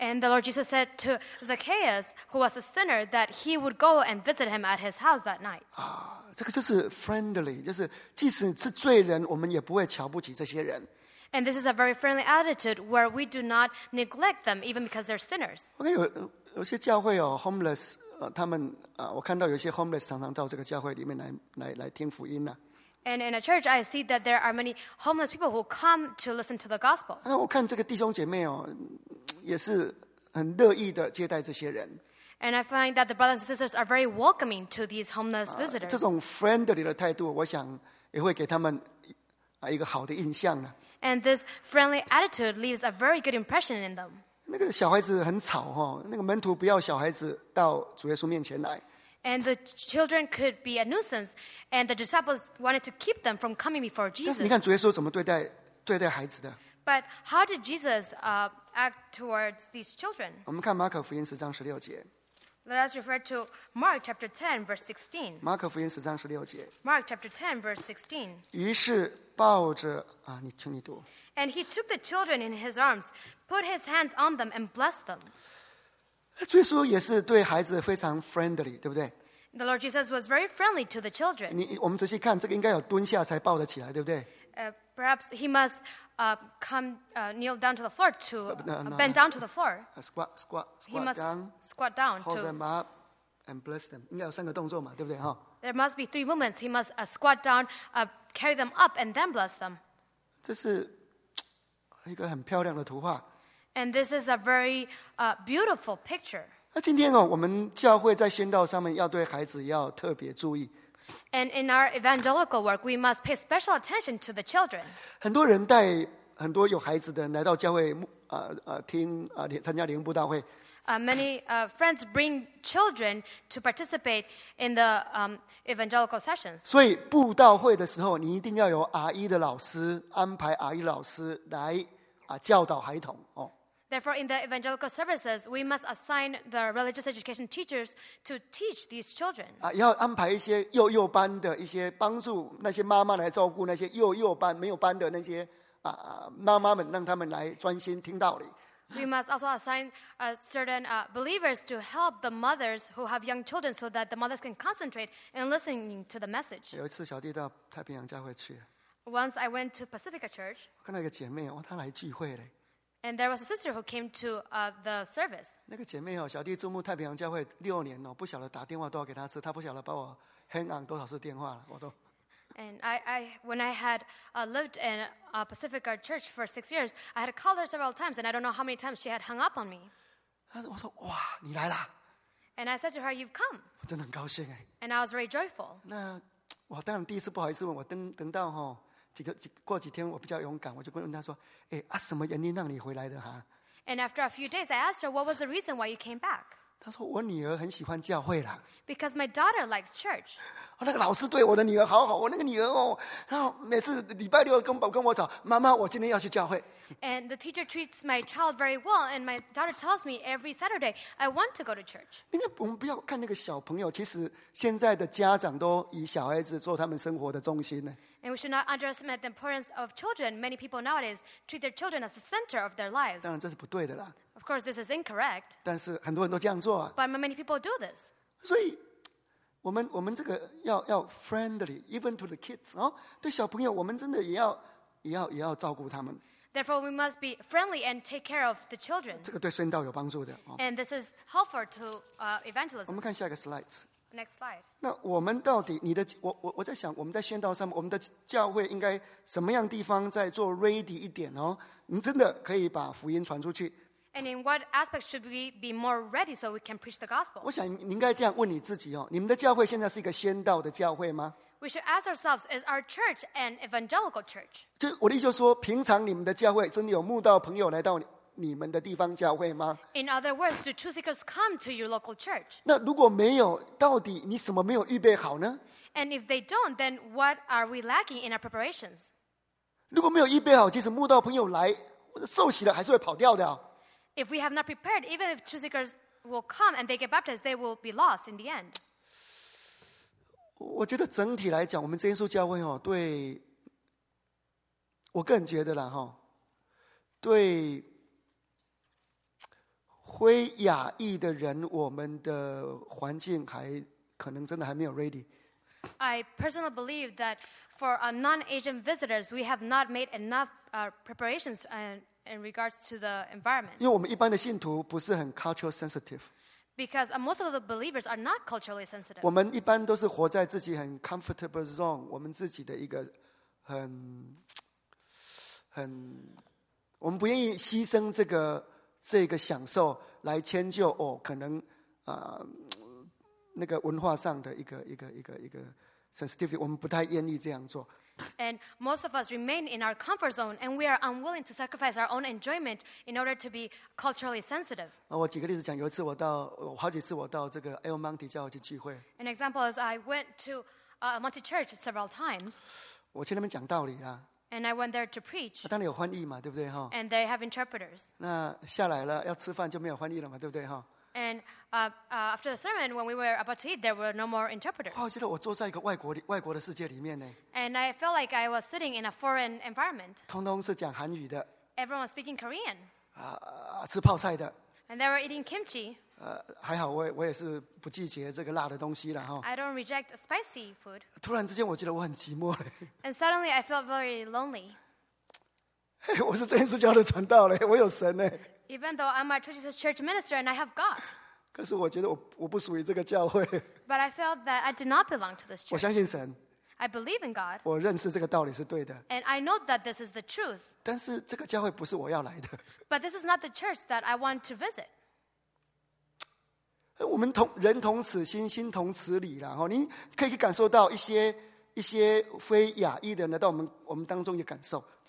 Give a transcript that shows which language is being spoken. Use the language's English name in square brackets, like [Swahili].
[English] And the Lord Jesus said to Zacchaeus, who was a sinner, that he would go and visit him at his house that night. [Chinese] 这个就是 friendly， 就是即使是罪人，我们也不会瞧不起这些人。 [English] And this is a very friendly attitude where we do not neglect them, even because they're sinners. [Chinese] Okay, 有些教会哦 homeless。他们我看到有些 homeless 常常到这个教会里面来听福音呢、啊。 [English] And in a church, I see that there are many homeless people who come to listen to the gospel. [Chinese] 那我看这个弟兄姐妹哦，也是很乐意的接待这些人。 [English] And I find that the brothers and sisters are very welcoming to these homeless visitors. [Chinese] 这种 friendly 的态度，我想也会给他们一个好的印象呢。 [English] And this friendly attitude leaves a very good impression in them. [Chinese] 那个小孩子很吵哈、哦，那个门徒不要小孩子到主耶稣面前来。 [English] And the children could be a nuisance, and the disciples wanted to keep them from coming before Jesus. [Chinese] 但是你看主耶稣怎么对待孩子的 [English] ？But how did Jesus act towards these children? [Chinese] 我们看马可福音十章十六节。 [English] Let us refer to Mark chapter 10 verse 16. [Chinese] 马可福音十章十六节。 [English] Mark chapter 10 verse 16. [Chinese] 于是抱着你请你读。 [English] And he took the children in his arms, put his hands on them, and blessed them. [Chinese] 耶稣也是对孩子非常 friendly， 对不对？ [English] The Lord Jesus was very friendly to the children. [Chinese] 我们仔细看，这个应该有蹲下才抱得起来，对不对？ [English] Perhaps he must kneel down to the floor to bend down to the floor. He must squat down. Hold them up and bless them. [Chinese] 应该有三个动作嘛，对不对？ [English] There must be three movements. He must squat down, carry them up, and then bless them. [Chinese] 这是一个很漂亮的图画。 [English] And this is a very beautiful picture. [Chinese] 今天我们教会在宣道上面要对孩子要特别注意。 [English] And in our evangelical work, we must pay special attention to the children. [Chinese] 很多人带很多有孩子的人来到教会听参加灵布道会。 [English] Many friends bring children to participate in the evangelical sessions. [Chinese] 所以布道会的时候，你一定要有 RE 的老师安排 RE 老师来教导孩童哦。 [English] Therefore, in the evangelical services, we must assign the religious education teachers to teach these children. [Chinese] 要安排一些幼幼班的一些帮助那些妈妈来照顾那些幼幼班没有班的那些妈妈们，让他们来专心听道理。 [English] We must also assign certain believers to help the mothers who have young children so that the mothers can concentrate in listening to the message. [Chinese] 有一次，小弟到太平洋教会去。 [English] Once I went to Pacifica Church. [Chinese] 看到一个姐妹，哇，她来聚会嘞。 [English] And there was a sister who came to the service. [Chinese] 那个姐妹哦，小弟注目太平洋教会六年哦，不晓得打电话多少给她吃，她不晓得把我 hang on 多少次电话了，我都。 [English] And I when I had lived in a Pacifica Church for 6 years, I had called her several times, and I don't know how many times she had hung up on me. [Chinese] 我说哇，你来啦。 [English] And I said to her, "You've come." [Chinese] 我真的很高兴哎。 [English] And I was very joyful. [Chinese] 那我当然第一次不好意思问，我等到哈。过几天我比较勇敢，我就问他说：“什么原因让你回来的哈？” [English] And after a few days, I asked her what was the reason why you came back. [Chinese] 他说：“我女儿很喜欢教会啦。” [English] Because my daughter likes church. [Chinese] 那个老师对我的女儿好好，我那个女儿然后每次礼拜六跟我吵，妈妈，我今天要去教会。 [English] And the teacher treats my child very well, and my daughter tells me every Saturday I want to go to church. [Chinese] 我们不要看那个小朋友，其实现在的家长都以小孩子做他们生活的中心呢。 [English] And we should not underestimate the importance of children. Many people nowadays treat their children as the center of their lives. [Chinese] 当然这是不对的啦。 [English] Of course, this is incorrect. [Chinese] 但是很多人都这样做啊。 [English] But many people do this. [Chinese] 所以我们这个要 friendly, [English] even to the kids [Chinese] 哦，对小朋友，我们真的也要照顾他们。 [English] Therefore, we must be friendly and take care of the children. [Chinese] 这个对宣道有帮助的。哦、 [English] and this is helpful to evangelism. [Chinese] 我们看下一个 slide。 [English] Next slide. [Chinese] 那我们到底你的我在想，我们在宣道上面，我们的教会应该什么样地方在做 ready 一点哦？你真的可以把福音传出去。 [English] And in what aspect should we be more ready so we can preach the gospel? [Chinese] 我想你应该这样问你自己哦：你们的教会现在是一个宣道的教会吗？ [English] We should ask ourselves, is our church an evangelical church? [Chinese] 我的意思就是说，平常你们的教会真的有慕道朋友来到你们的地方教会吗？ [English] In other words, do true seekers come to your local church? [Chinese] 那如果没有，到底你什么没有预备好呢？ [English] And if they don't, then what are we lacking in our preparations? [Chinese] 如果没有预备好，即使慕道朋友来，受洗了还是会跑掉的。 [English] If we have not prepared, even if true seekers will come and they get baptized, they will be lost in the end. [Chinese] 我觉得整体来讲，我们真耶稣教会对我个人觉得啦，对非亚裔的人，我们的环境还可能真的还没有 ready。 [English] I personally believe that for our non-Asian visitors, we have not made enough preparations in regards to the environment. [Chinese] 因为我们一般的信徒不是很 cultural sensitive。 [English] Because most of the believers are not culturally sensitive. [Chinese] 我们一般都是活在自己很 comfortable zone, 我们自己的一个很我们不愿意牺牲这个享受来迁就可能那个文化上的一个 sensitivity, 我们不太愿意这样做。 [English] And most of us remain in our comfort zone, and we are unwilling to sacrifice our own enjoyment in order to be culturally sensitive. [Chinese] 我举个例子讲，有一次我好几次我到这个 El Monte 教会去聚会。 [English] An example is I went to El Monte Church several times. [Chinese] 我去那边讲道理啦。 [English] And I went there to preach. [Chinese] 当然有翻译嘛，对不对哈 [English] ？And they have interpreters. [Chinese] 那下来了要吃饭就没有翻译了嘛，对不对哈？ [English] And after the sermon, when we were about to eat, there were no more interpreters. [Chinese] 我觉得我坐在一个外国的世界里面呢。 [English] And I felt like I was sitting in a foreign environment. [Chinese] 通通是讲韩语的。 [English] Everyone was speaking Korean. [Chinese] 吃泡菜的。 [English] And they were eating kimchi. [Chinese] 还好 我也是不拒绝这个辣的东西了哈。 [English] I don't reject spicy food. [Chinese] 突然之间我觉得我很寂寞了。 [English] And suddenly I felt very lonely. [Chinese] 我是真耶稣教的传道嘞，我有神嘞。 [English] Even though I'm a Jesus Church minister and I have God. [Chinese] 可是我觉得 我不属于这个教会。 [English] But I felt that I did not belong to this church. [Chinese] 我相信神。 [English] I believe in God. [Chinese] 我认识这个道理是对的。 [English] And I know that this is the truth. [Chinese] 但是这个教会不是我要来的。 [English] But this is not the church that I want to visit. [Chinese] 我们同人同此心，心同此理啦。你可以感受到一些非亚裔的人来到我们当中的感受。